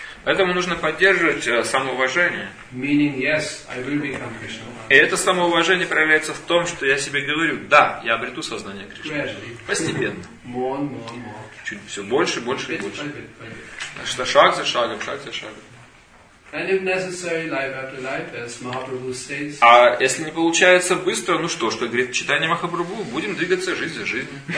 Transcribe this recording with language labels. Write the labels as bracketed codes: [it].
[ru] Поэтому нужно поддерживать самоуважение. [en] Meaning yes, I will become Krishna conscious. [ru] И это самоуважение проявляется в том, что я себе говорю: да, я обрету сознание Кришны. [en] Gradually. [ru] Постепенно. [en] More. [ru] Чуть все больше, больше и больше. [en] Bit. [ru] Что шаг за шагом, шаг за шагом. [en] And if necessary, life after life, as Mahaprabhu says. [ru] А если не получается быстро, ну что ж, как говорит Чайтанья Махапрабху, будем двигаться жизнь за жизнью.